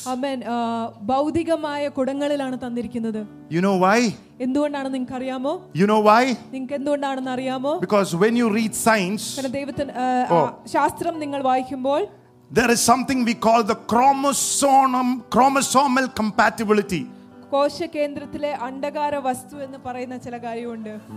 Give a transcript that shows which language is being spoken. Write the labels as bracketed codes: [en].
[ml] amen, ഭൗതികമായി കുടങ്ങളിലാണ് തന്നിരിക്കുന്നത്. [en] You know why? [ml] എന്തുകൊണ്ടാണ് നിങ്ങൾക്ക് അറിയാമോ? [en] You know why? [ml] നിങ്ങൾക്ക് എന്തുകൊണ്ടാണെന്ന് അറിയാമോ? [en] Because when you read science, [ml] അല്ല ദൈവത്തിന്റെ ശാസ്ത്രം നിങ്ങൾ വായിക്കുമ്പോൾ, [en] there is something we call the chromosomal compatibility. [ml] കോശകേന്ദ്രത്തിലെ അണ്ഡകാര വസ്തു എന്ന് പറയുന്ന ചില കാര്യമുണ്ട്.